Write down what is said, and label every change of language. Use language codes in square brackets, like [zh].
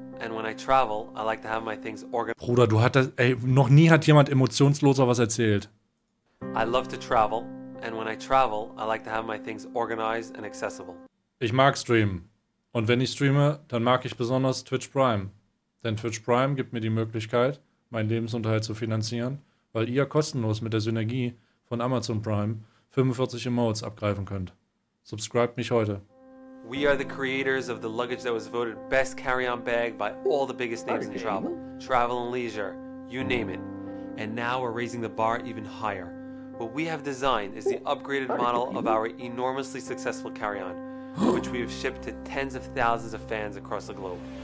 [en] And when I travel, I like to have my things organized. [de] Bruder, du hattest, ey, noch nie hat jemand emotionsloser was erzählt. [en] I love to travel, and when I travel, I like to have my things organized and accessible. [de] Ich mag streamen. Und wenn ich streame, dann mag ich besonders Twitch Prime. Denn Twitch Prime gibt mir die Möglichkeit, meinen Lebensunterhalt zu finanzieren, weil ihr kostenlos mit der Synergie von Amazon Prime 45 Emotes abgreifen könnt. [en] Subscribe [de] mich heute. [en] We are the creators of the luggage that was voted best carry-on bag by all the biggest names in travel. Travel and Leisure, you name it. And now we're raising the bar even higher. What we have designed is the upgraded model of our enormously successful carry-on, which we have shipped to tens of thousands of fans across the globe.